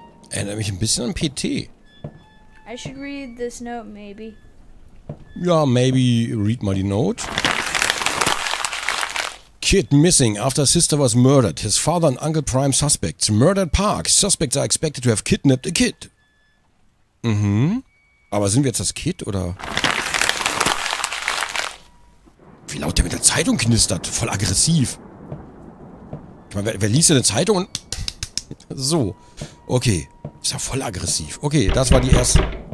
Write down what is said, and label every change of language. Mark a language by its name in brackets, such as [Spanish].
[German] Erinnert mich ein bisschen an PT. [English] I should read this note, maybe. [German] Ja, [English] maybe read my note. Kid missing after sister was murdered. His father and uncle prime suspects. Murdered Park. Suspects are expected to have kidnapped a kid. Mhm. [German] Aber sind wir jetzt das Kid, oder? Wie laut der mit der Zeitung knistert. Voll aggressiv. Ich meine, wer liest eine Zeitung und... So. Okay. Ist ja voll aggressiv. Okay, das war die erste.